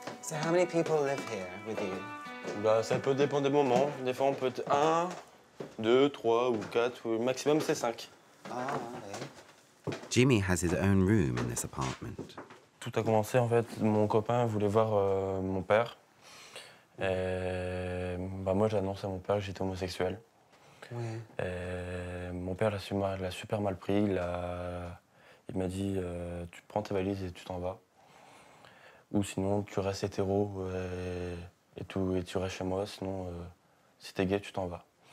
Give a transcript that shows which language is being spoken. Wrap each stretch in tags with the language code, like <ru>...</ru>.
<en>How many people live here with you?</en> <fr>Bah, ça peut dépendre des moments. Des fois, on peut être 1, 2, 3 ou 4, ou maximum c'est 5. Ah, oui.</fr> <en>Jimmy has his own room in this apartment.</en> <fr>Tout a commencé en fait, mon copain voulait voir mon père. Et bah, moi j'ai annoncé à mon père que j'étais homosexuel. Oui. Et mon père l'a super mal pris. Il m'a dit tu prends tes valises et tu t'en vas. Ou sinon, tu restes hétéro et tu restes chez moi, sinon, si t'es gay, tu t'en vas.</fr>